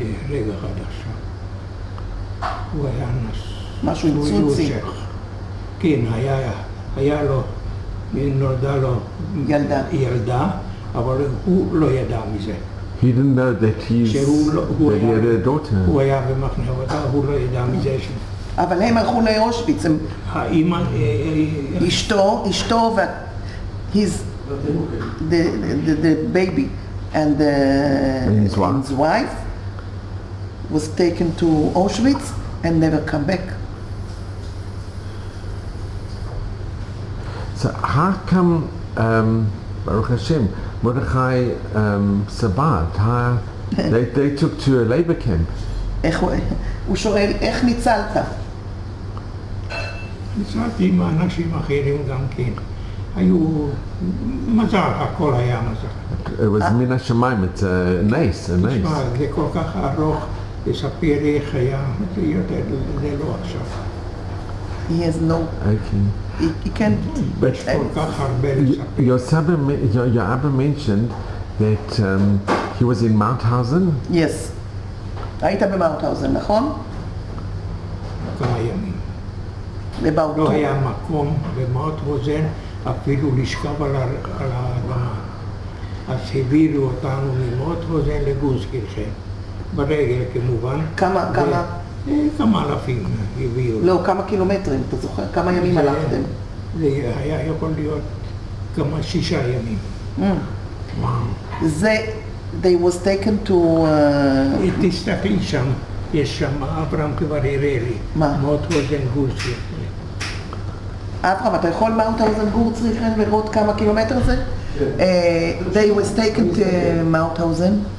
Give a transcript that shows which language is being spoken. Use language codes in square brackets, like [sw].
[he] רגע אחד עכשיו. הוא היה נשוי. משהו עם צוצי. כן, היה לו, נולדה לו ילדה, אבל הוא לא ידע מזה. [en] He didn't know that he's that he had a daughter. [he] הוא היה במחנה עבודה, הוא לא ידע מזה. אבל הם הלכו לאושוויץ. האמא... אשתו וה... his... [en] the baby and his wife was taken to Auschwitz and never come back. So how come Baruch Hashem, Mordechai survived? They took to a labor camp. [he] איך הוא שואל, איך ניצלת? ניצלתי עם אנשים אחרים גם כן. היו מזל, הכל היה מזל. [en] It was [he] מן השמיים, [en] it's a nice. [he] תשמע, זה כל כך ארוך, לספר איך היה, זה יותר, זה לא עכשיו. [en] He has no... Okay. He can't... But your Abba mentioned that he was in Mauthausen? Yes. Right in Mauthausen, right? How many days? About two. There was a place in Mauthausen, even to sleep on the earth. So they brought us from Mauthausen to Guskirche. In the regular, of course. How many? [he] כמה אלפים הביאו. לא, כמה קילומטרים, אתה זוכר? כמה ימים הלכתם? זה היה יכול להיות כמה שישה ימים. זה, [en] they was taken to... [he] תסתכלי שם, יש שם אברהם כבר הראה לי. מה? מאוטהוזן גורצריכן. אברהם, אתה יכול מאוטהוזן גורצריכן לראות כמה קילומטר זה? כן. [en] They was taken to מאוטהוזן.